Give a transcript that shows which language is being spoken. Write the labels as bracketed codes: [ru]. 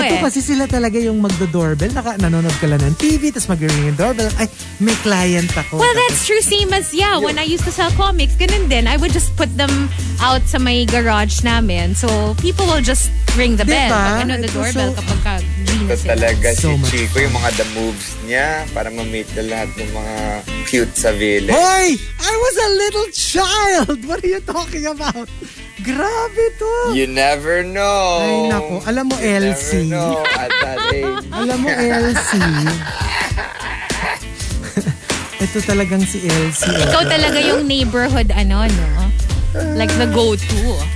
[tl] eh. Ito kasi sila talaga yung magdo-doorbell. Nanonood ka lang ng TV, tapos mag-ring yung doorbell. Ay, may client ako. [en] Well, that's true. Same as, when I used to sell comics, ganun din. I would just put them out [tl] sa may garage namin. [en] So, people will just ring the bell. [tl] Diba? Pag ano, the doorbell kapag ka-genius. Ito talaga si Chico, yung mga the moves niya para ma-meet na lahat ng mga cute sa village. [en] Hoy! I was a little child! What are you talking about? [tl] Grabe to! [en] You never know. [tl] Ay, naku. Alam mo, LC. [en] You never know at that age. [tl] Alam mo, LC. Ito talagang si LC. Ikaw talaga yung neighborhood, ano, no? [en] Like, the go-to.